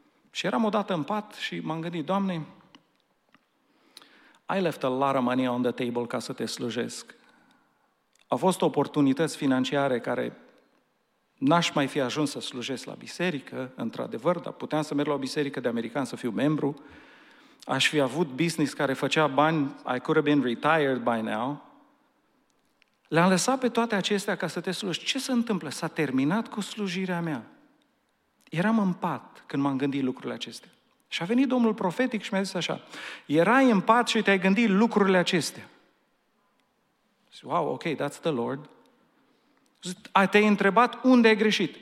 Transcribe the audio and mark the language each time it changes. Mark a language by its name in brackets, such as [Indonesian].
[Romanian] Și eram odată în pat și m-am gândit, Doamne, [English] I left a lot of money on the table [Romanian] ca să te slujesc. A fost oportunități financiare care n-aș mai fi ajuns să slujesc la biserică, într-adevăr, dar puteam să merg la o biserică de american să fiu membru. Aș fi avut business care făcea bani, [English] I could have been retired by now. [Romanian] Le-am lăsat pe toate acestea ca să te slujești. Ce se întâmplă? S-a terminat cu slujirea mea. Eram în pat când m-am gândit lucrurile acestea. Și a venit Domnul profetic și mi-a zis așa, erai în pat și te-ai gândit lucrurile acestea. Zic, [English] wow, ok, that's the Lord. [Romanian] Te-ai întrebat unde ai greșit.